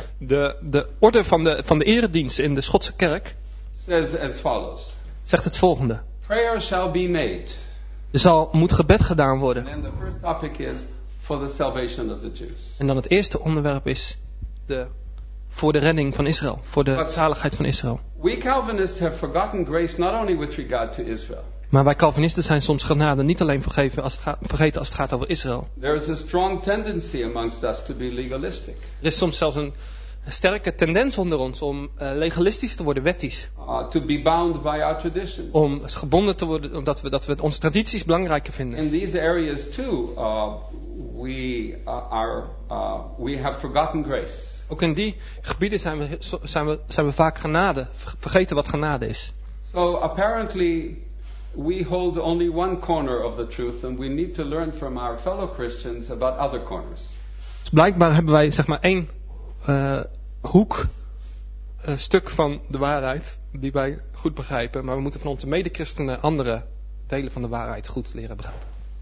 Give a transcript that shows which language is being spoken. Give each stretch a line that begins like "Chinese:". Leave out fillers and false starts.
Dutch: De orde van de eredienst in de Schotse kerk.
English: Says as follows.
Dutch: Zegt het volgende.
English: Prayer shall be made.
Dutch: Er zal moet gebed gedaan worden.
English: And the first topic is for the salvation of the Jews.
Dutch: En dan het eerste onderwerp is voor de redding van Israël, voor de zaligheid van Israël.
English: We Calvinists have forgotten grace not only with regard to Israel.
Dutch: Maar wij Calvinisten zijn soms genade niet alleen vergeten als het gaat over Israël.
English: There is a strong tendency amongst us to be legalistic.
Dutch: Er is soms zelfs een sterke tendens onder ons om legalistisch te worden, wettisch.
English: To be bound by our traditions.
Dutch: Om gebonden te worden, omdat we onze tradities belangrijker vinden.
English: In these areas too, we have forgotten grace.
Dutch: Ook in die gebieden zijn we vaak genade, vergeten wat genade is.
English: So apparently we hold only one corner of the truth, and we need to learn from our fellow Christians about other corners.
Dutch: Dus blijkbaar hebben wij zeg maar één hoek, stuk van de waarheid die wij goed begrijpen, maar we moeten van onze medechristenen andere delen van de waarheid goed leren begrijpen.